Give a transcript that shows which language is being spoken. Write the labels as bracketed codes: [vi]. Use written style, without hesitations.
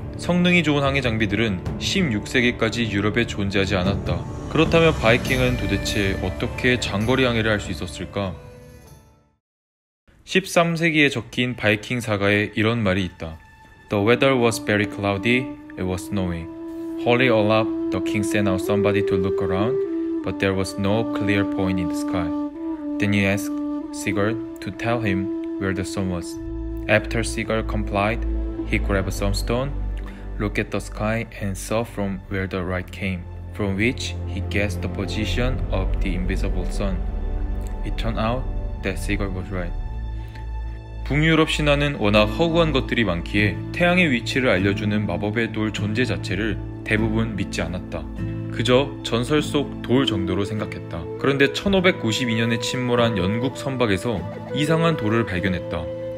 [ko] 성능이 좋은 항해 장비들은 16세기까지 유럽에 존재하지 않았다. 그렇다면 바이킹은 도대체 어떻게 장거리 항해를 할수 있었을까? 13세기에 적힌 바이킹 사가에 이런 말이 있다. [en] The weather was very cloudy. It was snowing. Holy Olaf, the king sent out somebody to look around, but there was no clear point in the sky. Then he asked Sigurd to tell him where the sun was. After Sigurd complied, he grabbed some stone, looked at the sky, and saw from where the light came, from which he guessed the position of the invisible sun. It turned out that Sigurd was right. [ko] 북유럽 신화는 워낙 허구한 것들이 많기에 태양의 위치를 알려주는 마법의 돌 존재 자체를 대부분 믿지 않았다. 그저 전설 속돌 정도로 생각했다. 그런데 1592년에 침몰한 영국 선박에서 이상한 돌을 발견했다.